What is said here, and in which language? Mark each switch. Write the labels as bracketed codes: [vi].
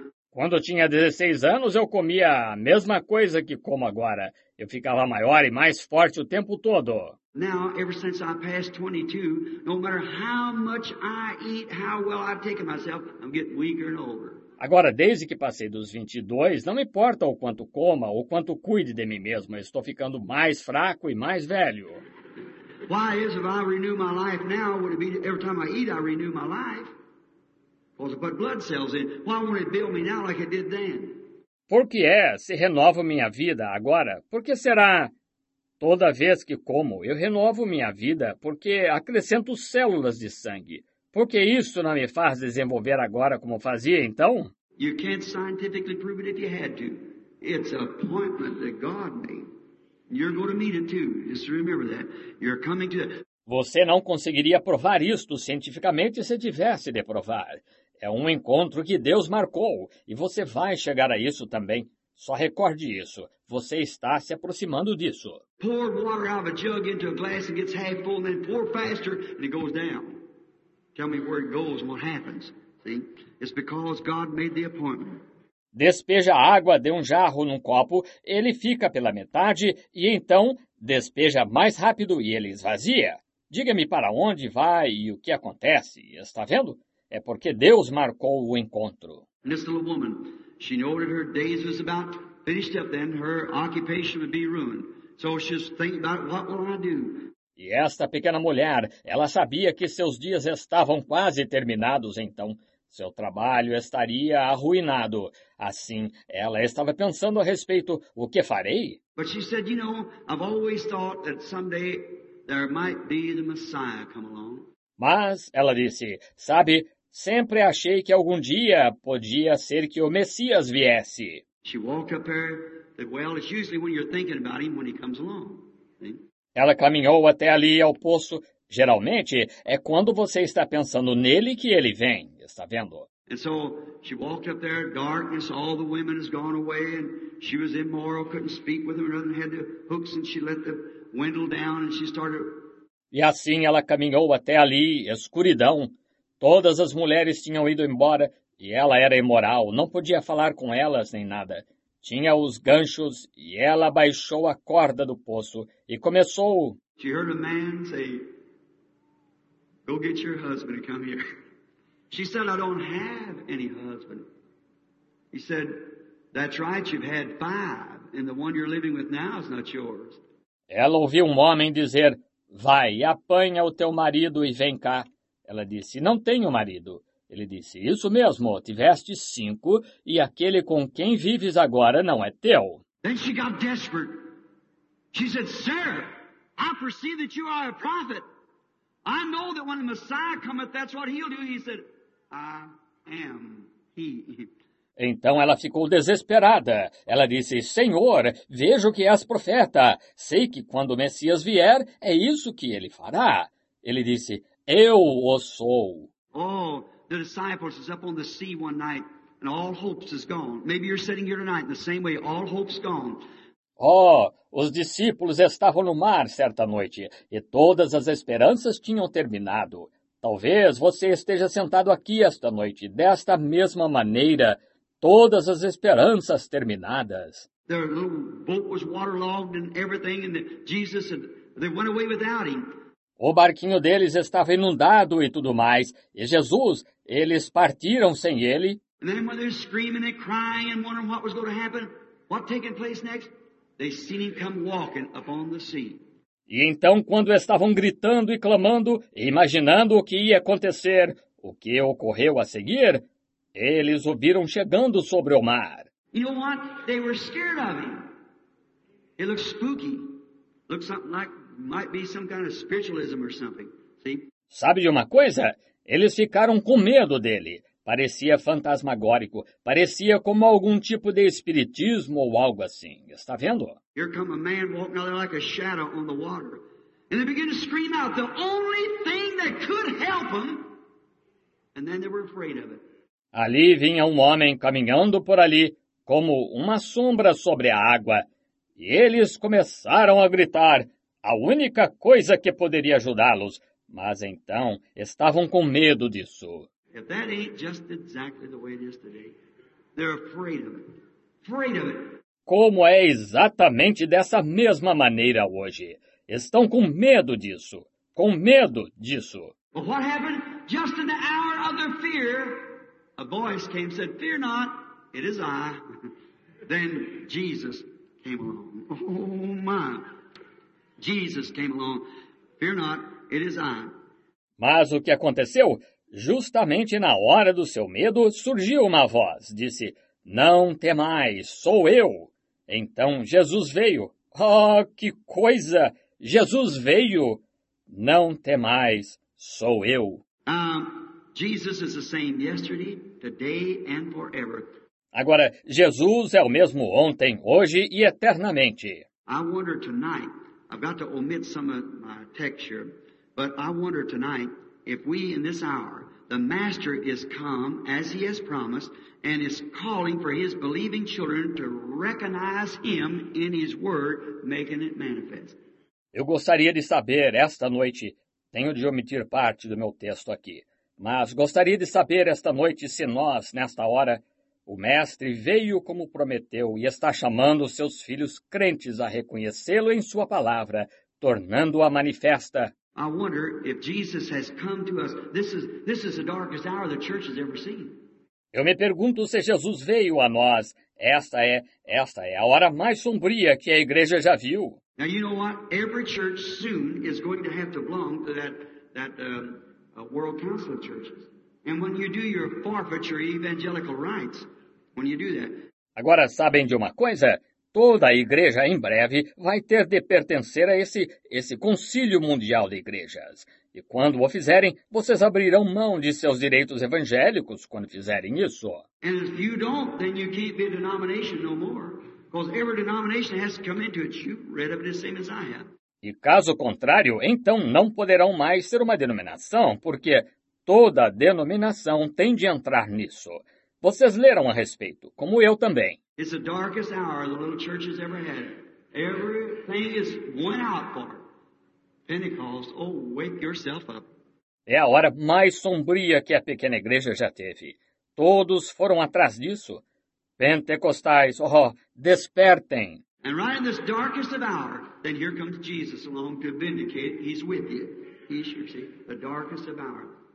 [pt] Quando eu tinha 16 anos, eu comia a mesma coisa que como agora. Eu ficava maior e mais forte o tempo todo. [en] Now, ever since I passed 22, no matter how much I eat, how well I've taken myself, I'm getting weaker and older. [pt] Agora, desde que passei dos 22, não importa o quanto coma ou quanto cuide de mim mesmo, estou ficando mais fraco e mais velho. [en] Why is if I renew my life now, would it be every time I eat, I renew my life? Well, to put blood cells in, why won't it build me now like it did then? [pt] Por que é, se renovo minha vida agora, por que será... Toda vez que como, eu renovo minha vida porque acrescento células de sangue. Por que isso não me faz desenvolver agora como fazia, então? [en] You can't scientifically prove it if you had to. It's an appointment that God made. You're going to meet it too. Just remember that. You're coming to... [pt] Você não conseguiria provar isto cientificamente se tivesse de provar. É um encontro que Deus marcou e você vai chegar a isso também. Só recorde isso. Você está se aproximando disso. [en] Pour water out of a jug into a glass and gets half full and then pour faster and it goes down. Tell me where it goes and what happens. See? It's because God made the appointment. [pt] Despeja a água de um jarro num copo, ele fica pela metade e então despeja mais rápido e ele esvazia. Diga-me para onde vai e o que acontece. Está vendo? É porque Deus marcou o encontro. [en] And this little woman, she knew that her days was about finished up then, her occupation would be ruined. So she's thinking about what will I do? [pt] E esta pequena mulher, ela sabia que seus dias estavam quase terminados então. Seu trabalho estaria arruinado. Assim, ela estava pensando a respeito, o que farei? [en] But she said, you know, I've always thought that someday there might be the Messiah come along. [pt] Mas, ela disse, sabe, sempre achei que algum dia podia ser que o Messias viesse. [en] She walked up there, said, well, it's usually when you're thinking about him when he comes along. [pt] Ela caminhou até ali ao poço. Geralmente, é quando você está pensando nele que ele vem, está vendo? [en] And so she walked up there, darkness, all the women has gone away, and she was immoral, couldn't speak with them, and had the hooks, and she let the windle down, and she started... [pt] E assim ela caminhou até ali, escuridão. Todas as mulheres tinham ido embora, e ela era imoral, não podia falar com elas nem nada. Tinha os ganchos, e ela baixou a corda do poço, e começou... [en] She heard a man say, go get your husband and come here. She said, I don't have any husband. He said, that's right, you've had five, and the one you're living with now is not yours. [pt] Ela ouviu um homem dizer, vai, apanha o teu marido e vem cá. Ela disse, não tenho marido. Ele disse, isso mesmo, tiveste cinco, e aquele com quem vives agora não é teu. [en] Then she got desperate. She said, sir, I perceive that you are a prophet. I know that when the Messiah cometh, that's what he'll do. He said, I am he. [pt] Então ela ficou desesperada. Ela disse, Senhor, vejo que és profeta. Sei que quando o Messias vier, é isso que ele fará. Ele disse, eu o sou. [en] Oh, the disciples is up on the sea one night, and all hopes is gone. Maybe you're sitting here tonight in the same way, all hopes gone. [pt] Oh, os discípulos estavam no mar certa noite, e todas as esperanças tinham terminado. Talvez você esteja sentado aqui esta noite, desta mesma maneira, todas as esperanças terminadas. [en] Their little boat was waterlogged and everything, and Jesus said, they went away without him. [pt] O barquinho deles estava inundado e tudo mais, e Jesus, eles partiram sem ele. [en] And then when they're screaming and crying and wondering what was going to happen, what taking place next? They seen him come walking upon the sea. [pt] E então, quando estavam gritando e clamando, imaginando o que ia acontecer, o que ocorreu a seguir, eles o viram chegando sobre o mar. [en] You know what? They were scared of him. It looked spooky. Looked something like, might be some kind of spiritualism or something. See? [pt] Sabe de uma coisa? Eles ficaram com medo dele. Parecia fantasmagórico, parecia como algum tipo de espiritismo ou algo assim. Está vendo? [en] Here come a man walking out there like a shadow on the water. And they begin to scream out the only thing that could help them. And then they were afraid of it. [pt] Ali vinha um homem caminhando por ali, como uma sombra sobre a água. E eles começaram a gritar, a única coisa que poderia ajudá-los. Mas então, estavam com medo disso. [en] If that ain't just exactly the way it is today, they're afraid of it. Afraid of it. [pt] Como é exatamente dessa mesma maneira hoje? Estão com medo disso. Com medo disso. [en] But what happened? Just in the hour of their fear, a voice came and said, fear not, it is I. Then Jesus came along. Oh my. Jesus came along. Fear not, it is I. [pt] Mas o que aconteceu? Justamente na hora do seu medo, surgiu uma voz. Disse, não temais, sou eu. Então Jesus veio. Oh, que coisa! Jesus veio. Não temais, sou eu. [en] Jesus is the same yesterday, today and forever. [pt] Agora, Jesus é o mesmo ontem, hoje e eternamente. [en] I wonder tonight, I've got to omit some of my texture, but I wonder tonight, if we in this hour, the Master is come as he has promised and is calling for his believing children to recognize him in his word, making it manifest. [pt] Eu gostaria de saber esta noite, tenho de omitir parte do meu texto aqui, mas gostaria de saber esta noite se nós, nesta hora, o Mestre veio como prometeu e está chamando seus filhos crentes a reconhecê-lo em sua palavra, tornando-a manifesta. [en] I wonder if Jesus has come to us. This is the darkest hour the church has ever seen. [pt] Eu me pergunto se Jesus veio a nós. Esta é a hora mais sombria que a igreja já viu. [en] Now you know what? Every church soon is going to have to belong to that world council of churches. And when you do your forfeiture evangelical rites, when you do that. [pt] Agora sabem de uma coisa? Toda a igreja em breve vai ter de pertencer a esse Concílio Mundial de Igrejas. E quando o fizerem, vocês abrirão mão de seus direitos evangélicos quando fizerem isso. [en] And if you don't, then you can't be a denomination no more. Because every denomination has to come into it. You've read of it the same as I have. [pt] E caso contrário, então não poderão mais ser uma denominação, porque toda denominação tem de entrar nisso. Vocês leram a respeito, como eu também. [en] It's the darkest hour the little church has ever had. Everything is went out for. Pentecost, oh, wake yourself up. [pt] É a hora mais sombria que a pequena igreja já teve. Todos foram atrás disso. Pentecostais, oh, despertem. [en] And right in this darkest of hour, then here comes Jesus along to vindicate. He's with you. He's your see, the darkest of hour.